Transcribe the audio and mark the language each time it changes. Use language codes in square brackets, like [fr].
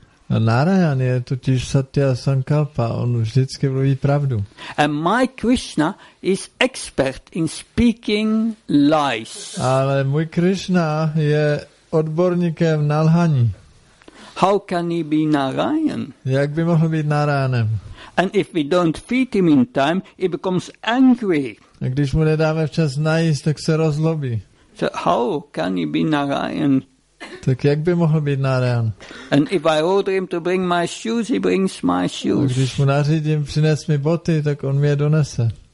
[cs] A Narayan je totiž Satya Sankalpa, on vždycky mluví pravdu. [en] And my Krishna is expert in speaking lies. [cs] Ale můj Krishna je odborníkem na lhaní. [en] How can he be Narayan? [cs] Jak by mohl být Narayanem? [en] And if we don't feed him in time, he becomes angry. [cs] A když mu nedáme včas najíst, tak se rozlobí. [en] So how can he be Narayan? [cs] Tak jak by mohl být Narayan? [en] And if I order him to bring my shoes, he brings my shoes. [cs] A když mu nařídím přines mi boty, tak on mi je donese.